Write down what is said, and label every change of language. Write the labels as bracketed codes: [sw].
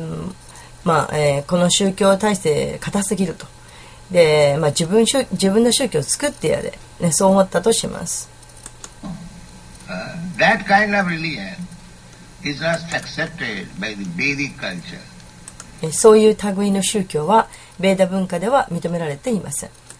[ja] この宗教体制硬すぎると。で、まあ、自分の宗教を作ってやれ、ね、そう思ったとします。 [en] That kind of religion is not accepted by the Vedic culture. [ja] そういう類の宗教は、ベーダ文化では認められていません。